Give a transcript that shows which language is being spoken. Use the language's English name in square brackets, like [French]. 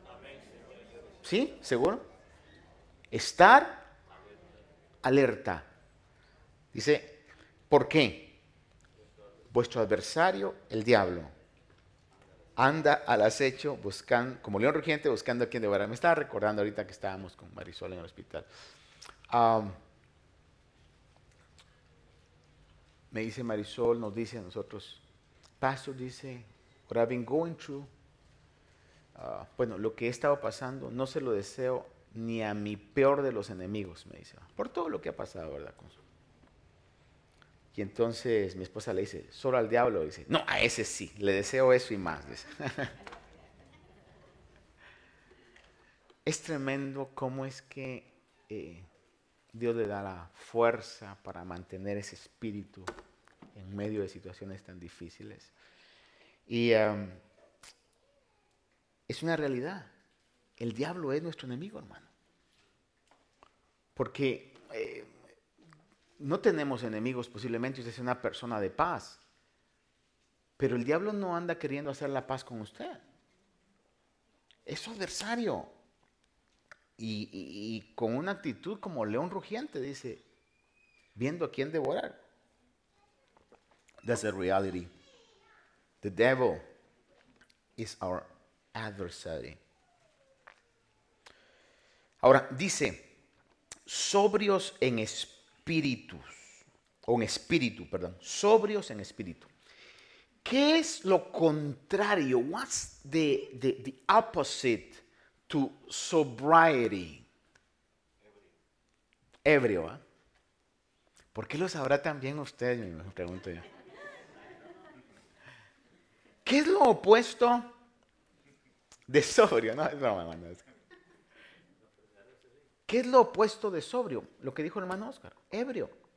[Spanish] Amén. ¿Sí? ¿Seguro? Estar alerta. Dice: ¿por qué? Vuestro adversario, el diablo, anda al acecho buscando, como león rugiente buscando a quien devorar. Me estaba recordando ahorita que estábamos con Marisol en el hospital. Me dice Marisol, nos dice a nosotros, Pastor, dice, [English] what I've been going through. [Spanish] Bueno, lo que he estado pasando no se lo deseo ni a mi peor de los enemigos, me dice. Por todo lo que ha pasado, ¿verdad, Consuelo? Y entonces mi esposa le dice, solo al diablo, dice, no, a ese sí, le deseo eso y más. Es tremendo cómo es que Dios le da la fuerza para mantener ese espíritu en medio de situaciones tan difíciles. Y es una realidad. El diablo es nuestro enemigo, hermano. Porque no tenemos enemigos, posiblemente usted es una persona de paz. Pero el diablo no anda queriendo hacer la paz con usted. Es su adversario. Y con una actitud como león rugiente, dice, viendo a quién devorar. [English] That's a reality. The devil is our adversary. [Spanish] Ahora, dice, sobrios en espíritus, o en espíritu, perdón, sobrios en espíritu. ¿Qué es lo contrario? [English] What's the opposite to sobriety? [Spanish] Ebrio. ¿Eh? ¿Por qué lo sabrá también usted? Me pregunto yo. ¿Qué es lo opuesto de sobrio? No, no, no, no. ¿Qué es lo opuesto de sobrio? Lo que dijo el hermano Oscar, ebrio.